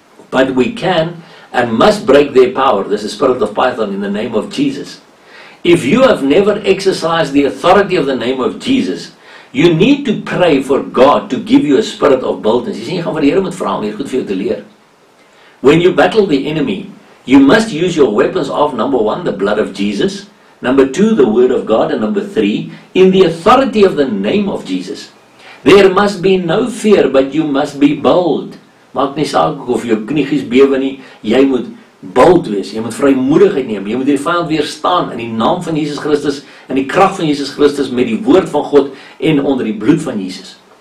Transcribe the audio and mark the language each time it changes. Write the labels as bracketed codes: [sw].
[en] But we can and must break their power. This is spirit of Python in the name of Jesus. If you have never exercised the authority of the name of Jesus, you need to pray for God to give you a spirit of boldness. [af] Jy sien, jy gaan vir die Here moet vra om hier goed vir jou te leer. [en] When you battle the enemy, you must use your weapons of number 1, the blood of Jesus, number 2, the word of God, and number 3, in the authority of the name of Jesus. There must be no fear, but you must be bold. [af] Maak nie saak of jou kniegies bewe nie, jy moet bold wees, jy moet vrymoedigheid neem, jy moet die vyand weerstaan in die naam van Jesus Christus, in die krag van Jesus Christus, met die woord van God en onder die bloed van Jesus.